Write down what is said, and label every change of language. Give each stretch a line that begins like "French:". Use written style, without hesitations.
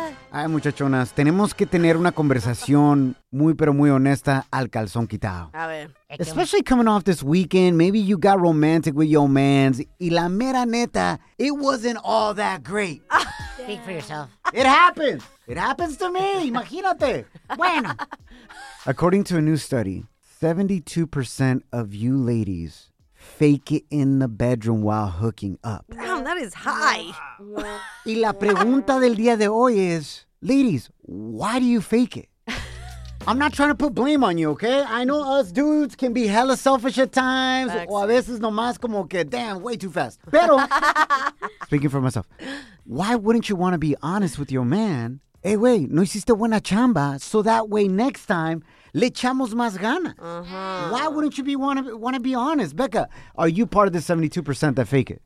Spanish: Ay, muchachonas, tenemos que tener una conversación muy, pero muy honesta al calzón quitado. A ver.
English: Especially coming off this weekend, maybe you got romantic with your mans,
Spanish: y la mera neta,
English: it wasn't all that great. Speak for yourself. It happens. It happens to me.
Spanish: Imagínate. Bueno.
English: According to a new study, 72% of you ladies fake it in the bedroom while hooking up. Damn, that is high.
Spanish: Y la pregunta del día de hoy
English: is, ladies, why do you fake it? I'm not trying to put blame on you, okay? I know us dudes can be hella selfish at times. Excellent.
Spanish: O a veces nomás como que,
English: damn, way too fast. Pero, speaking for myself, why wouldn't you want to be honest with your man?
Spanish: Hey, wey, no hiciste buena chamba,
English: so that way next time,
Spanish: le echamos más ganas.
English: Uh-huh. Why wouldn't you want to be honest? Becca, are you part of the 72% that fake it?